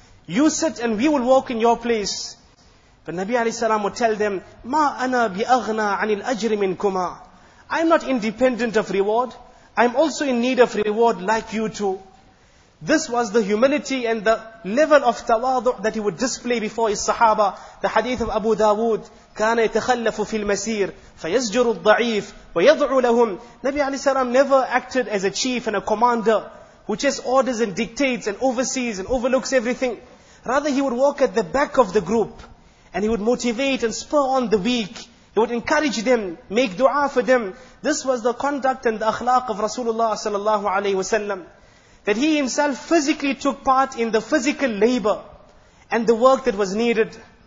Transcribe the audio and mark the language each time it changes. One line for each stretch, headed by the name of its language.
English: You sit and we will walk in your place." But Nabi alayhi salam would tell them,
Arabic: "Ma ana bi aghna anil ajri minkuma.
English: I am not independent of reward. I am also in need of reward like you two." This was the humility and the level of tawadu' that he would display before his sahaba. The hadith of Abu Dawood,
Arabic: كان يتخلف في المسير فيزجر الضعيف ويضعو لهم.
English: Nabi alayhi salam never acted as a chief and a commander who just orders and dictates and oversees and overlooks everything. Rather, he would walk at the back of the group and he would motivate and spur on the weak. He would encourage them, make dua for them. This was the conduct and the akhlaq of Rasulullah sallallahu alayhi wasallam, that he himself physically took part in the physical labor and the work that was needed.